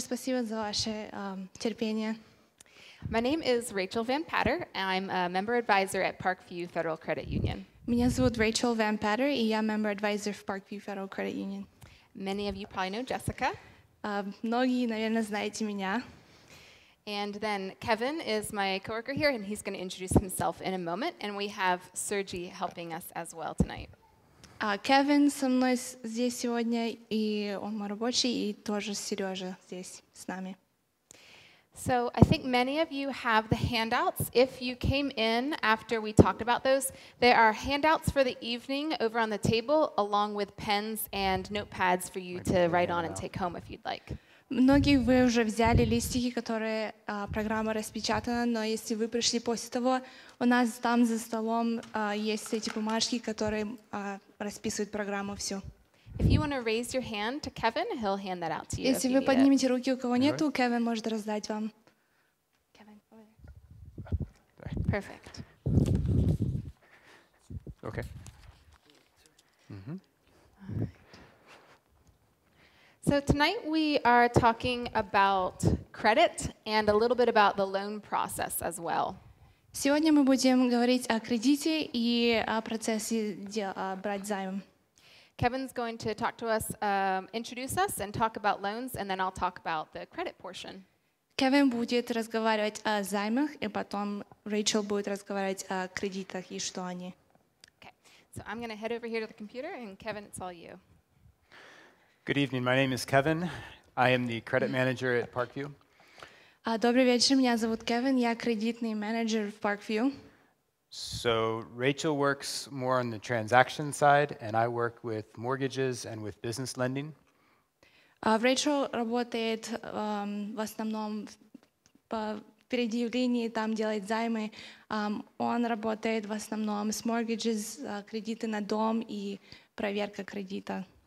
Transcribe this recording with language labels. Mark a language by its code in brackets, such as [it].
[ru] Спасибо за ваше терпение. [en] My name is Rachel Van Patter. I'm a member advisor at Parkview Federal Credit Union. [ru] Меня зовут Рэйчел Ван Паттер, и я member advisor в Parkview Federal Credit Union. [en] Many of you probably know Jessica. [ru] Многие, наверное, знаете меня. [en] And then Kevin is my coworker here, and he's going to introduce himself in a moment. And we have Sergi helping us as well tonight. [ru] Kevin со мной здесь сегодня, и он мой рабочий, и тоже Сережа здесь с нами. [en] So I think many of you have the handouts. If you came in after we talked about those, there are handouts for the evening over on the table, along with pens and notepads for you to write on and take home if you'd like. [ru] Многие вы уже взяли листики, которые программа распечатана, но если вы пришли после того, у нас там за столом есть эти бумажки, которые расписывают программу всю. [en] If you want to raise your hand to Kevin, he'll hand that out to you. [ru] Если вы поднимете руки, у кого нету, Кевин может раздать вам. [en] Kevin, over there. Perfect. Okay. So tonight we are talking about credit and a little bit about the loan process as well. [ru] Сегодня мы будем говорить о кредите и о процессе брать займ. [en] Kevin's going to talk to us, introduce us, and talk about loans, and then I'll talk about the credit portion. [ru] Kevin будет разговаривать о займах, и потом Rachel будет разговаривать о кредитах и что они. [en] Okay, so I'm going to head over here to the computer, and Kevin, it's all you. Good evening. My name is Kevin. I am the credit manager at Parkview. [ru] Добрый вечер. Меня зовут Кевин. Я кредитный менеджер в Parkview. [en] So Rachel works more on the transaction side, and I work with mortgages and with business lending. [ru] Rachel работает в основном по предъявлении, там делает займы. Он работает в основном с mortgages, кредиты на дом и проверка кредита.